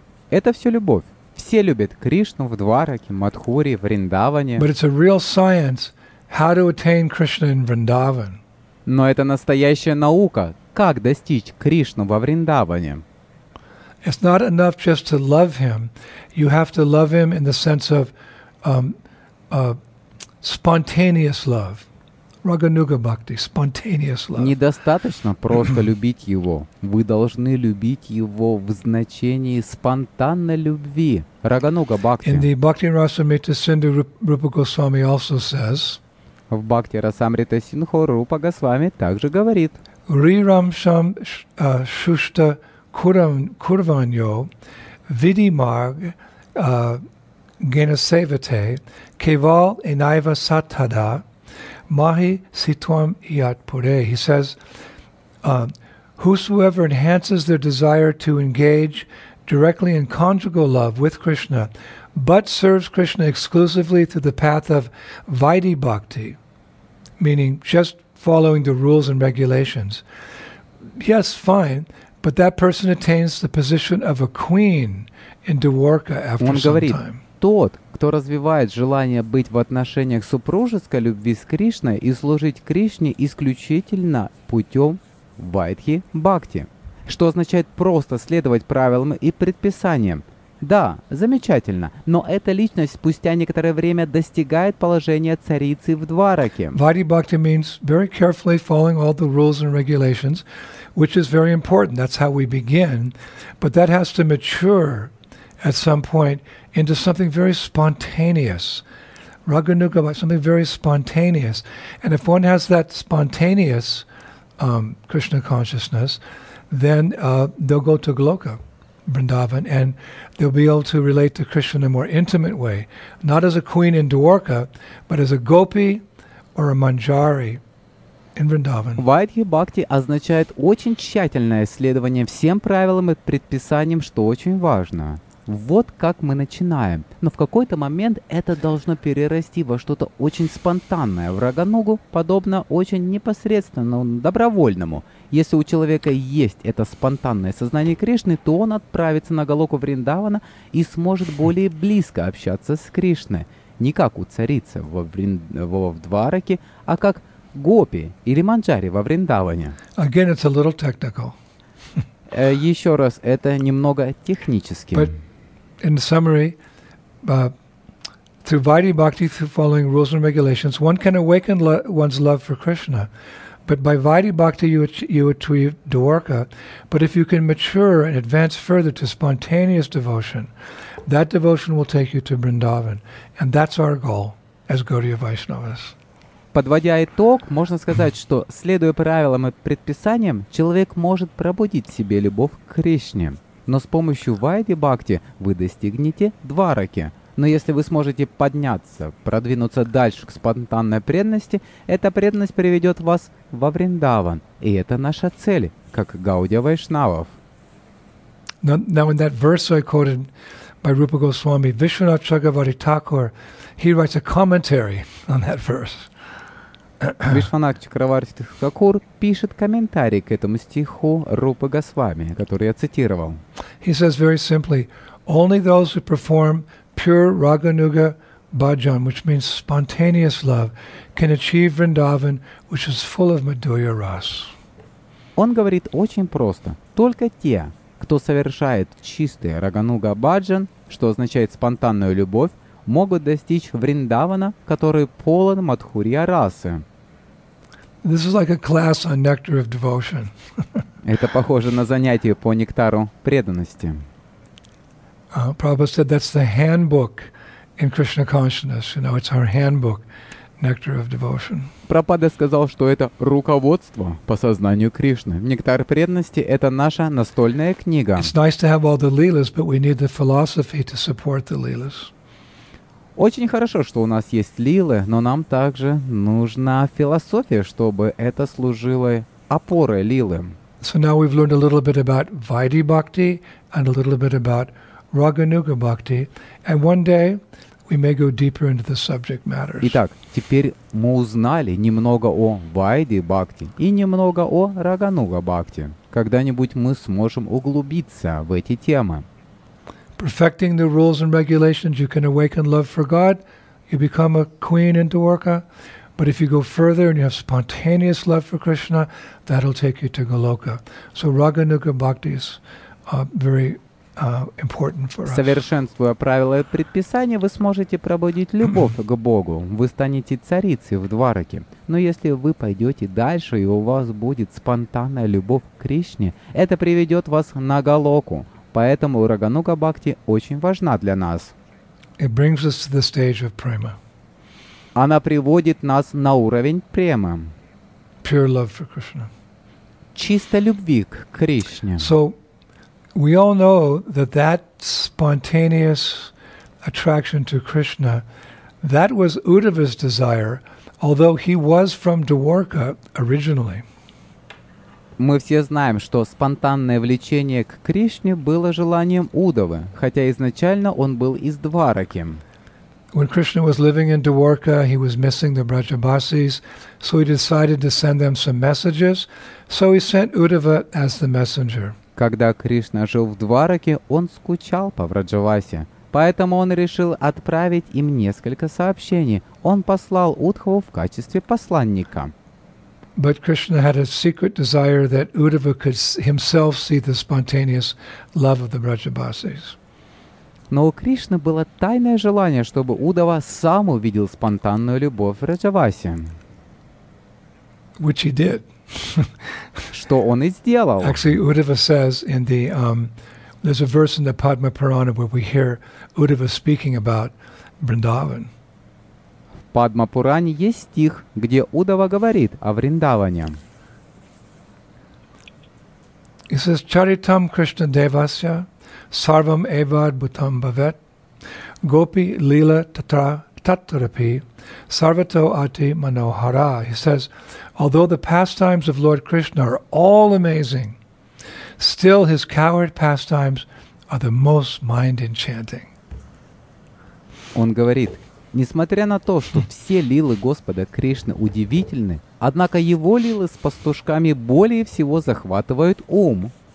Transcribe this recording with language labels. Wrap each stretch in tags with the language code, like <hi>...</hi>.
<ru>Это все любовь. Все любят Кришну в Двараке, Мадхуре, Вриндаване.</ru> <en>But it's a real science. How to attain Krishna in Vrindavan?</en> <ru>Но это настоящая наука, как достичь Кришну во Вриндаване.</ru> <en>It's not enough just to love him. You have to love him in the sense of spontaneous love. Raganuga bhakti, spontaneous love.</en> <ru>Недостаточно просто любить его. Вы должны любить его в значении спонтанной любви.</ru> <sa>Raganuga bhakti.</sa> <en>In the Bhakti Rasamrita Sindhu, Rupa Goswami also says,</en> <ru>В Бхакти Расамрита Синхо Рупа Госвами также говорит</ru> <sa>Рирамшам шушта курваньо види марг генасевате кевал инайва сатхада махи ситвам ият пуре.</sa> <en>He says, whosoever enhances their desire to engage directly in conjugal love with Krishna, but serves Krishna exclusively through the path of vaidhi bhakti, meaning just following the rules and regulations. Yes, fine, but that person attains the position of a queen in Dwarka after</en> <ru>Он</ru> <en>some</en> <ru>говорит,</ru> <en>time.</en> <ru>Тот, кто развивает желание быть в отношениях супружеской любви с Кришной и служить Кришне исключительно путем Вайдхи Бхакти, что означает просто следовать правилам и предписаниям. Да, замечательно. Но эта личность спустя некоторое время достигает положения царицы в Двараке.</ru> <en>Vaidhi bhakti means very carefully following all the rules and regulations, which is very important. That's how we begin. But that has to mature at some point into something very spontaneous. Raganuga bhakti, something very spontaneous. And if one has that spontaneous Krishna consciousness, then they'll go to Goloka. Vrindavan, and they'll be able to relate to Krishna in a more intimate way, not as a queen in Dwarka, but as a gopi or a manjari in Vrindavan.</en> <ru>Vaidhi bhakti означает очень тщательное следование всем правилам и предписаниям, что очень важно. Вот как мы начинаем. Но в какой-то момент это должно перерасти во что-то очень спонтанное, в рагоногу, подобно очень непосредственному, добровольному. Если у человека есть это спонтанное сознание Кришны, то он отправится на Голоку Вриндавана и сможет более близко общаться с Кришной. Не как у царицы в Двараке, а как гопи или манджари во Вриндаване.</ru> <en>Again, it's a little technical.</en> <ru>Еще раз, это немного технически.</ru> <en>In summary, through Vaidhi Bhakti, through following rules and regulations, one can awaken one's love for Krishna. But by Vaidhi Bhakti, you achieve Dwarka. But if you can mature and advance further to spontaneous devotion, that devotion will take you to Vrindavan. And that's our goal. as Gaudiya Vaishnavas.</en> <ru>Подводя итог, можно сказать, что, следуя правилам и предписаниям, человек может пробудить в себе любовь к Кришне. Но с помощью Вайди Бхакти вы достигнете Двараки. Но если вы сможете подняться, продвинуться дальше к спонтанной преданности, эта преданность приведет вас во Вриндаван. И это наша цель, как Гаудия Вайшнавов.</ru> <en>Now in that verse I quoted by Rupa Goswami, Vishwanath Chakravarti Thakur, he writes a commentary on that verse.</en> <ru>Вишванат Чакраварти Тхакур пишет комментарий к этому стиху Рупы Госвами, который я цитировал.</ru> <en>He says very simply, only those who perform pure Raganuga Bhajan, which means spontaneous love, can achieve Vrindavan, which is full of Madhurya Ras.</en> <ru>Он говорит очень просто. Только те, кто совершает чистый Рагануга Бхаджан, что означает спонтанную любовь, могут достичь Вриндавана, который полон Мадхурья Расы.</ru> <en>This is like a class on nectar of devotion.</en> <ru>Это похоже на занятие по нектару преданности.</ru> <en>Prabhupada said that's the handbook in Krishna consciousness. You know, it's our handbook, nectar of devotion.</en> <ru>Прабхупада сказал, что это руководство по сознанию Кришны. Нектар преданности — это наша настольная книга.</ru> <en>It's nice to have all the leelas, but we need the philosophy to support the leelas.</en> <ru>Очень хорошо, что у нас есть лилы, но нам также нужна философия, чтобы это служило опорой лилы.</ru> <en>So now we've learned a little bit about Vaidhi Bhakti and a little bit about Raganuga Bhakti, and one day we may go deeper into the subject matters.</en> <ru>Итак, теперь мы узнали немного о Vaidhi Bhakti и немного о Raganuga Bhakti. Когда-нибудь мы сможем углубиться в эти темы.</ru> <en>Perfecting the rules and regulations, you can awaken love for God, you become a queen in Dwarka. But if you go further and you have spontaneous love for Krishna, that'll take you to Goloka. So Raganuga Bhakti is very important for us.</en> <ru>Совершенствуя правила и предписания, вы сможете пробудить любовь к Богу. Вы станете царицей в Двараке. Но если вы пойдете дальше, и у вас будет спонтанная любовь к Кришне, это приведет вас на Голоку. Поэтому Рагануга Бхакти очень важна для нас.</ru> <en>It brings us to the stage of prema.</en> <ru>Она приводит нас на уровень премы.</ru> <en>Pure love for Krishna.</en> <ru>Чистой любви к Кришне.</ru> <en>So, we all know that that spontaneous attraction to Krishna, that was Uddhava's desire, although he was from Dwarka originally.</en> <ru>Мы все знаем, что спонтанное влечение к Кришне было желанием Удавы, хотя изначально он был из Двараки.</ru> <en>When Krishna was living in Dwarka, he was missing the Brajabasis, so he decided to send them some messages, so he sent Uddhava as the messenger.</en> <ru>Когда Кришна жил в Двараке, он скучал по Враджаваси, поэтому он решил отправить им несколько сообщений. Он послал Удхаву в качестве посланника.</ru> <en>But Krishna had a secret desire that Uddhava could himself see the spontaneous love of the Brajabasis.</en> <ru>Но у Кришны было тайное желание, чтобы Удава сам увидел спонтанную любовь Враджаваси.</ru> <en>Which he did.</en> <ru>Что он и сделал.</ru> <en>Actually, Uddhava says in the there's a verse in the Padma Purana where we hear Uddhava speaking about Vrindavan.</en> <ru>В Падмапуране есть стих, где Удава говорит о Вриндаване.</ru> <en>He says,</en> <sa>Charitam Krishna Devasya, Sarvam Evad Bhutam Bhavet, Gopi Lila Tatra Tatrapi, Sarvato Ati Manohara.</sa> <en>He says, although the pastimes of Lord Krishna are all amazing, still his coward pastimes are the most mind-enchanting.</en> <ru>Он говорит, несмотря на то, что все лилы Господа Кришны удивительны, однако его лилы с пастушками более всего захватывают ум.</ru>